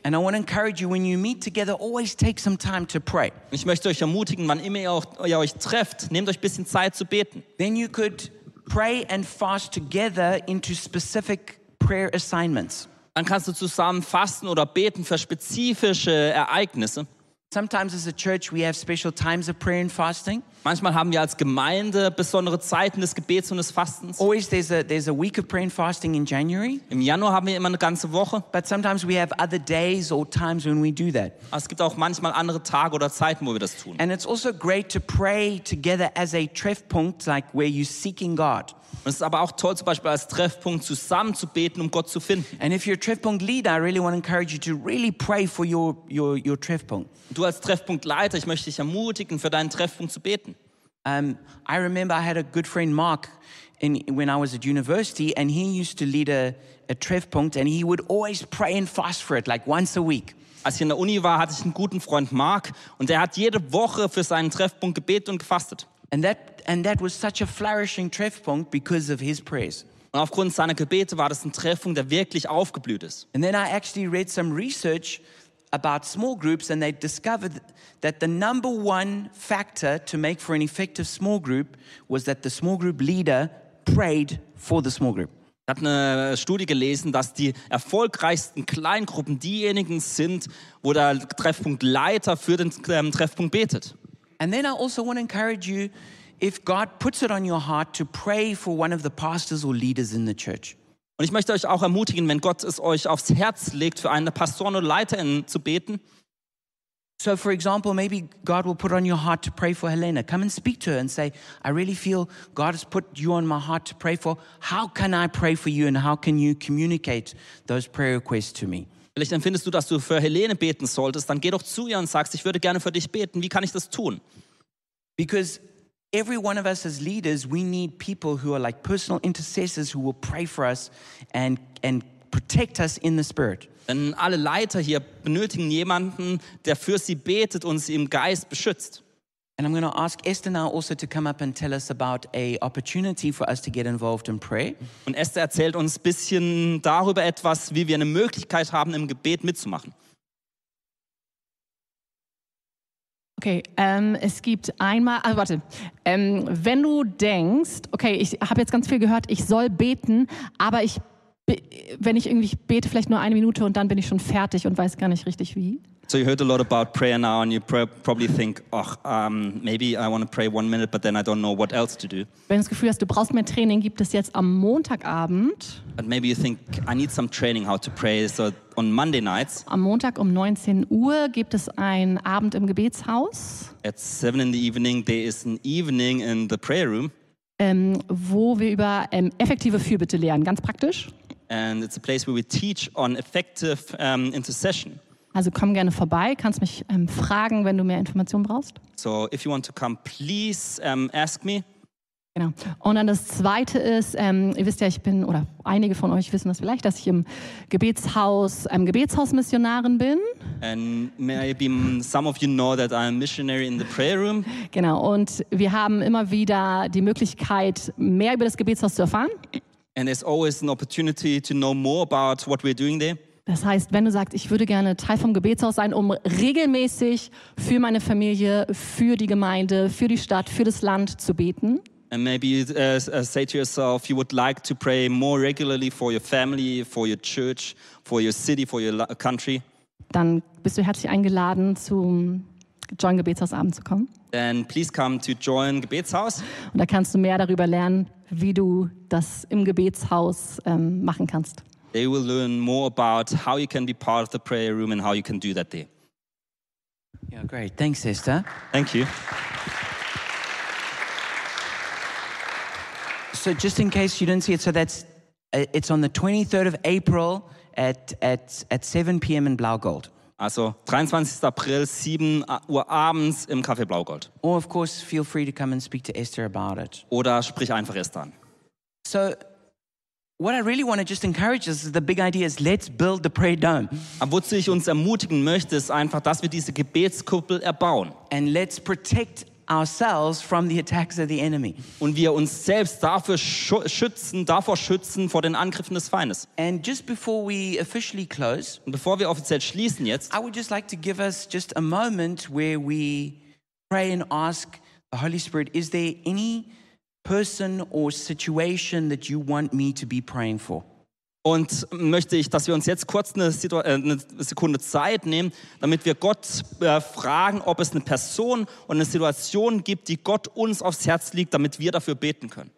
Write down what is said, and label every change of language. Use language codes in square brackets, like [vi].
[en] And I want to encourage you, when you meet together, always take some time to pray. [de] Ich möchte euch ermutigen, wann immer ihr euch trefft, nehmt euch ein bisschen Zeit zu beten. [en] Then you could pray and fast together into specific prayer assignments. [de] Dann kannst du zusammen fasten oder beten für spezifische Ereignisse. [en] Sometimes as a church we have special times of prayer and fasting. [de] Manchmal haben wir als Gemeinde besondere Zeiten des Gebets und des Fastens. [en] Always there's a week of prayer and fasting in January. [de] Im Januar haben wir immer eine ganze Woche. [en] But sometimes we have other days or times when we do that. [de] Es gibt auch manchmal andere Tage oder Zeiten, wo wir das tun. [en] And it's also great to pray together as a Treffpunkt, like where you're seeking God. [de] Und es ist aber auch toll, zum Beispiel als Treffpunkt zusammen zu beten, um Gott zu finden. [en] And if you're a Treffpunkt leader, I really want to encourage you to really pray for your Treffpunkt. [de] Du als Treffpunktleiter, ich möchte dich ermutigen, für deinen Treffpunkt zu beten. [en] I remember I had a good friend Mark when I was at university, and he used to lead a Treffpunkt, and he would always pray and fast for it, like once a week. [de] Als ich in der Uni war, hatte ich einen guten Freund Mark, und er hat jede Woche für seinen Treffpunkt gebetet und gefastet. [en] And that was such a flourishing Treffpunkt because of his prayers. [de] Und aufgrund seiner Gebete war das ein Treffpunkt, der wirklich aufgeblüht ist. [en] And then I actually read some research about small groups, and they discovered that the number one factor to make for an effective small group was that the small group leader prayed for the small group. [de] Ich habe eine Studie gelesen, dass die erfolgreichsten Kleingruppen diejenigen sind, wo der Treffpunktleiter für den Treffpunkt betet. [en] And then I also want to encourage you, if God puts it on your heart, to pray for one of the pastors or leaders in the church. [de] Und ich möchte euch auch ermutigen, wenn Gott es euch aufs Herz legt, für einen Pastoren oder Leiterin zu beten. [en] So for example, maybe God will put on your heart to pray for Helena. Come and speak to her and say, I really feel God has put you on my heart to pray for. How can I pray for you and how can you communicate those prayer requests to me? [de] Vielleicht empfindest du, dass du für Helene beten solltest, dann geh doch zu ihr und sagst, ich würde gerne für dich beten. Wie kann ich das tun? [en] Because every one of us as leaders, we need people who are like personal intercessors who will pray for us and protect us in the spirit. [de] Denn alle Leiter hier benötigen jemanden, der für sie betet und sie im Geist beschützt. [en] And I'm going to ask Esther now also to come up and tell us about a opportunity for us to get involved and pray. [de] Und Esther erzählt uns ein bisschen darüber etwas, wie wir eine Möglichkeit haben, im Gebet mitzumachen. Okay, es gibt einmal, also warte, wenn du denkst, okay, ich habe jetzt ganz viel gehört, ich soll beten, aber ich, wenn ich irgendwie bete, vielleicht nur eine Minute und dann bin ich schon fertig und weiß gar nicht richtig wie. [en] So you heard a lot about prayer now and you probably think, oh, maybe I want to pray 1 minute, but then I don't know what else to do. [de] Wenn du das Gefühl hast, du brauchst mehr Training, gibt es jetzt am Montagabend. [en] And maybe you think, I need some training how to pray, so on Monday nights. [de] Am Montag um 19 Uhr gibt es einen Abend im Gebetshaus. [en] At 7 in the evening, there is an evening in the prayer room. [de] Wo wir über effektive Fürbitte lernen, ganz praktisch. [en] And it's a place where we teach on effective intercession. [de] Also komm gerne vorbei, kannst mich fragen, wenn du mehr Informationen brauchst. [en] So, if you want to come, please ask me. [de] Genau. Und dann das Zweite ist, ihr wisst ja, ich bin, oder einige von euch wissen das vielleicht, dass ich im Gebetshaus, Gebetshausmissionarin bin. [en] And maybe some of you know that I'm missionary in the prayer room. [de] Genau, und wir haben immer wieder die Möglichkeit, mehr über das Gebetshaus zu erfahren. [en] And there's always an opportunity to know more about what we're doing there. [de] Das heißt, wenn du sagst, ich würde gerne Teil vom Gebetshaus sein, um regelmäßig für meine Familie, für die Gemeinde, für die Stadt, für das Land zu beten. [en] And maybe say to yourself, you would like to pray more regularly for your family, for your church, for your city, for your country. [de] Dann bist du herzlich eingeladen, zum Join Gebetshausabend zu kommen. [en] Then please come to Join Gebetshaus. [de] Und da kannst du mehr darüber lernen, wie du das im Gebetshaus machen kannst. [en] They will learn more about how you can be part of the prayer room and how you can do that there. Yeah, great. Thanks, Esther. Thank you. So just in case you didn't see it, so that's it's on the 23rd of April at 7 p.m. in Blaugold. [de] Also 23. April, 7 Uhr abends im Café Blaugold. [en] Or of course, feel free to come and speak to Esther about it. [de] Oder sprich einfach Esther an. [en] So what I really want to just encourage is the big idea is let's build the prayer dome. [de] Aber wozu ich uns ermutigen möchte, ist einfach, dass wir diese Gebetskuppel erbauen. [en] And let's protect ourselves from the attacks of the enemy. [de] Und wir uns selbst dafür schützen vor den Angriffen des Feindes. [en] And just before we officially close, [de] und bevor wir offiziell schließen jetzt, [en] I would just like to give us just a moment where we pray and ask the Holy Spirit, is there any person or situation that you want me to be praying for. [de] Und möchte ich, dass wir uns jetzt kurz eine Sekunde Zeit nehmen, damit wir Gott fragen, ob es eine Person und eine Situation gibt, die Gott uns aufs Herz legt, damit wir dafür beten können.